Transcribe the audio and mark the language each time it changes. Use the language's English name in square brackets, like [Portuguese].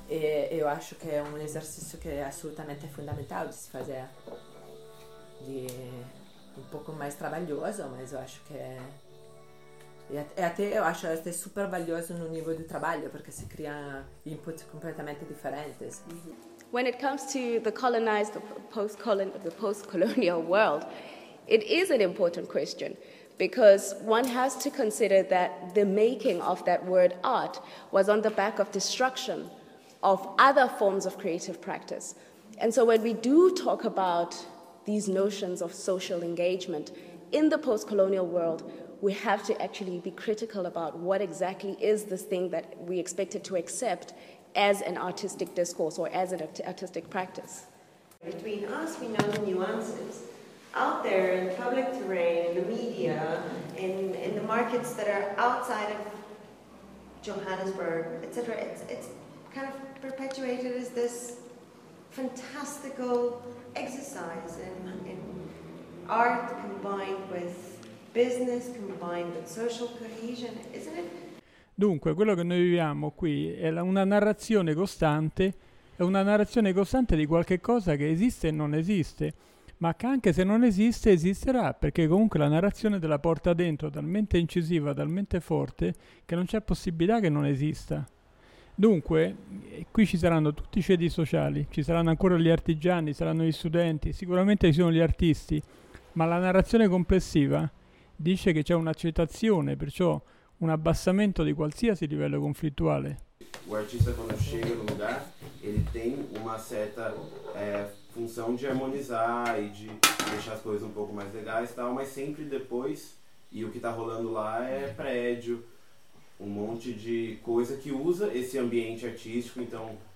[Portuguese] E eu acho que é um exercício que é absolutamente fundamental de se fazer. De um pouco mais trabalhoso, mas eu acho que é até super valioso no nível do trabalho, porque se cria inputs completamente diferentes. [English] When it comes to the colonized, the post-colonial world, it is an important question. Because one has to consider that the making of that word art was on the back of destruction of other forms of creative practice. And so when we do talk about these notions of social engagement in the post-colonial world, we have to actually be critical about what exactly is this thing that we expected to accept as an artistic discourse or as an artistic practice. Between us, we know the nuances. Out there in the public terrain, in the media, in the markets that are outside of Johannesburg, etc., it's kind of perpetuated as this fantastical exercise in art combined with business, combined with social cohesion, isn't it? [Italian] Dunque, quello che noi viviamo qui è una narrazione costante di qualche cosa che esiste e non esiste. Ma che anche se non esiste, esisterà, perché comunque la narrazione della porta dentro è talmente incisiva, talmente forte, che non c'è possibilità che non esista. Dunque, qui ci saranno tutti i ceti sociali, ci saranno ancora gli artigiani, saranno gli studenti, sicuramente ci sono gli artisti, ma la narrazione complessiva dice che c'è un'accettazione, perciò un abbassamento di qualsiasi livello conflittuale. L'artista quando arriva in un luogo, [Portuguese] tem una certa função de harmonizar e de deixar as coisas um pouco mais legais e tal, mas sempre depois, e o que está rolando lá é prédio, um monte de coisa que usa esse ambiente artístico, então,